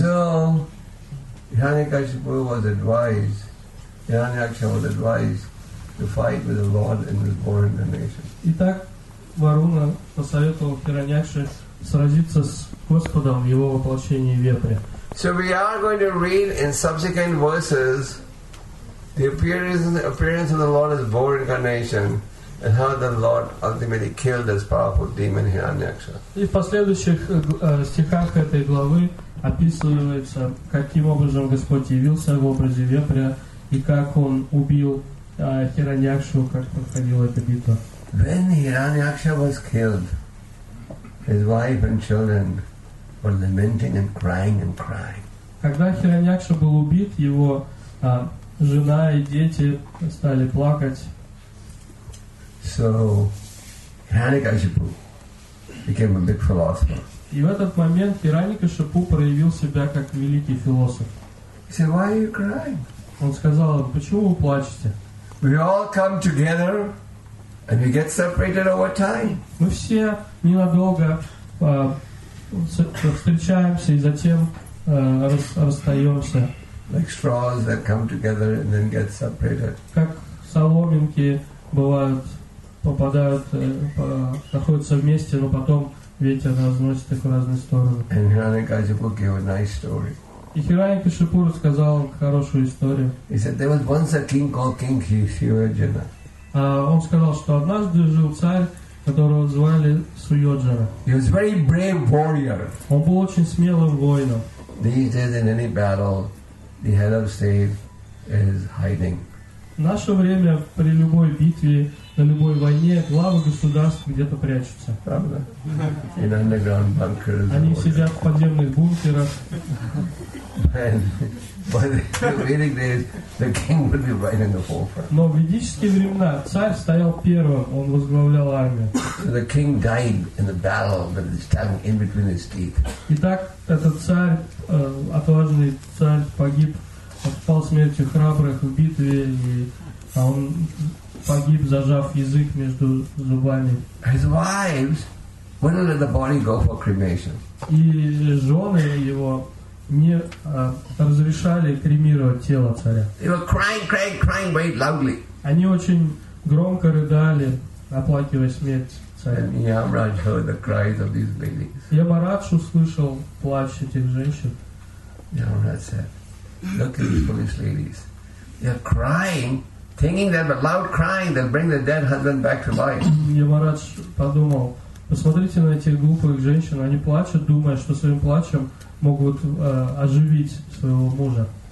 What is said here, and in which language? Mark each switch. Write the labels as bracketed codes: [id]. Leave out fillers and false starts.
[en] So Hiranyakashipu was advised. Hiranyaksha was advised to fight with the Lord in his boar incarnation. [ru] Итак, Варуна посоветовал Хираньякше сразиться с Господом в его воплощении Ветре. [en] So we are going to read in subsequent verses the appearance of the Lord as Boar incarnation and how the Lord ultimately killed this powerful demon Hiranyaksha. [ru] И в последующих стихах этой главы описывается, каким образом Господь явился в образе Ветря и как он убил Хираньякшу, как проходила эта битва. [en] When Hiranyaksha was killed, his wife and children were lamenting and crying and crying. [ru] Когда Хираньякша был убит, его жена и дети стали плакать. [en] So Hiranyakashipu became a big philosopher. [ru] И в этот момент Хираньякашипу проявил себя как великий философ. [en] He said, "Why are you crying?" [ru] Он сказал: "Почему вы плачете?" [en] We all come together. And we get separated over time. [ru] Мы все ненадолго встречаемся и затем расстаемся. [en] Like straws that come together and then get separated. [ru] Как соломинки бывают, попадают, находятся вместе, но потом ветер разносит их в разные стороны. [en] And Hiranyakashipu gave a nice story. [ru] И Хиранякашипу рассказал хорошую историю. [en] He said there was once a king called King Suyojana. [ru] Он сказал, что однажды жил царь, которого звали Суйоджана. [en] He was a very brave warrior. [ru] Он был очень смелым воином. [en] These days in any battle, the head of state is hiding. [ru] В наше время при любой битве, на любой войне, главы государств где-то прячутся. Правда? [en] In underground bunkers. [ru] Они сидят в подземных бункерах. [en] But in the Vedic days, the king would be right in the forefront. [ru] Но в ведические времена царь стоял первым, он возглавлял армию. [en] So the king died in the battle with his tongue in between his teeth. [ru] Итак, этот царь, отважный царь, погиб, пал смертью храбрых в битве, и он погиб, зажав язык между зубами. [en] His wives wouldn't let the body go for cremation. [ru] И жены его не разрешали кремировать тело царя. [en] They were crying very loudly. [ru] Они очень громко рыдали, оплакивая смерть царя. [en] And Yamraj heard the cries of these ladies. [ru] Ямарадж услышал плач этих женщин. [en] Yamraj said, "Look at these foolish ladies. They're crying, thinking that a loud crying they'll bring the dead husband back to life." [ru] Ямарадж подумал: посмотрите на этих глупых женщин, они плачут, думая, что своим плачем могут оживить своего мужа.